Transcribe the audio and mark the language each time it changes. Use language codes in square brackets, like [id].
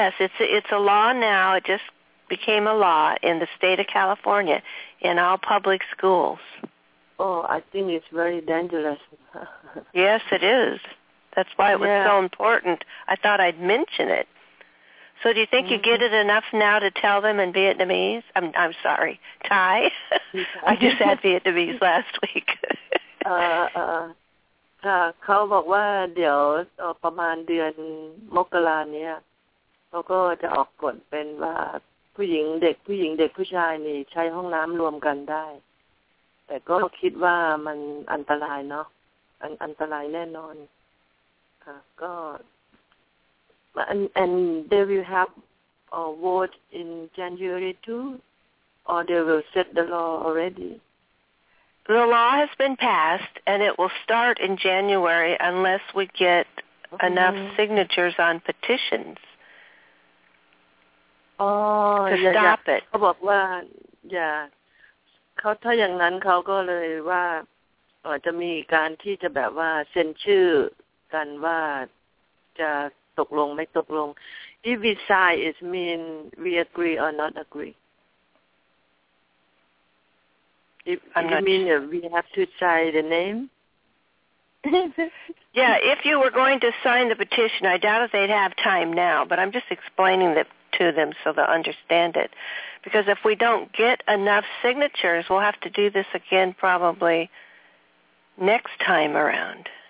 [en] Yes, it's a law now. It just became a law in the state of California in all public schools. Oh, I think it's very dangerous. Yes, it is. That's why it was so important. I thought I'd mention it. So do you think you get it enough now to tell them in Vietnamese? I'm sorry, Thai. I just had Vietnamese last week. [th] ค่ะเขาบอกว่าเดี๋ยวประมาณเดือนมกราเนี่ยเขาก็จะออกกฎเป็นว่าผู้หญิงเด็กผู้หญิงเด็กผู้ชายนี่ใช้ห้องน้ำรวมกันได้แต่ก็คิดว่ามันอันตรายเนาะอันตรายแน่นอนค่ะก็ [en] and they will have a vote in January too or they will set the law already The law has been passed, and it will start in January unless we get enough signatures on petitions stop it. [th] เขาบอกว่าอย่าเขาถ้าอย่างนั้นเขาก็เลยว่าจะมีการที่จะแบบว่าเซ็นชื่อกันว่าจะตกลงไม่ตกลง [en] If we sign, it means we agree or not agreeWe have to sign the name? Yeah, if you were going to sign the petition, I doubt if they'd have time now, but I'm just explaining it to them so they'll understand it. Because if we don't get enough signatures, we'll have to do this again probably next time around.